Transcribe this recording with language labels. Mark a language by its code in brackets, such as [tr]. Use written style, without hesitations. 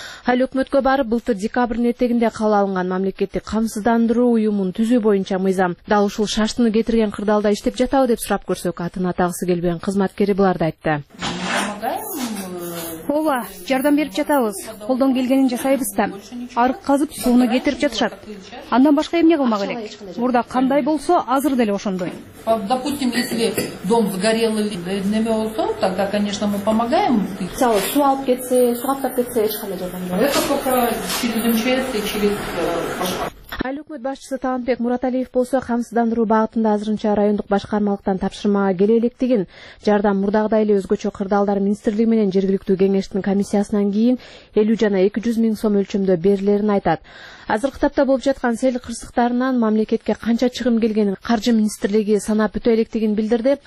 [ky] Айыл өкмөткө барып, былтыр декабрдын этегинде кабыл алынган мамлекеттик камсыздандыруу уюмун түзүү боюнча мыйзам дал ушул шаштыны кетирген кырдаалда иштеп жатабы деп сурап көрсөк, атын атагысы келбеген кызматкери буларды айтты. Ооба, жардам берип жатабыз, колдон келгенин жасайбыз да. Арык казып сууну кетирип жатышат. Андан башка эмне кылмак элек? Мурда кандай болсо, азыр деле ошондой. [ru] Допустим, если дом сгорел или [ky] эмне болсо, [ru] тогда, конечно, мы помогаем. [ky] Мисалы, суу алып кетсе, суу аттап кетсе, эч кандай жардам жок. [ru] Это только через МЧС и через [ky] башка. Айыл өкмөт башчысы Талантбек Мураталиев болсо камсыздандыруу багытында азырынча райондук башкармалыктан тапшырмага келе электигин, жардам мурдагыдай эле өзгөчө кырдаалдар министрлиги менен жергиликтүү кеңештин комиссиясынан кийин 50 жана 200 миң сом өлчөмдө берилерин айтат. Азыркы тапта болуп жаткан сел кырсыктарынан мамлекетке канча чыгым келгенин каржы министрлиги санап бүтө электигин билдирди.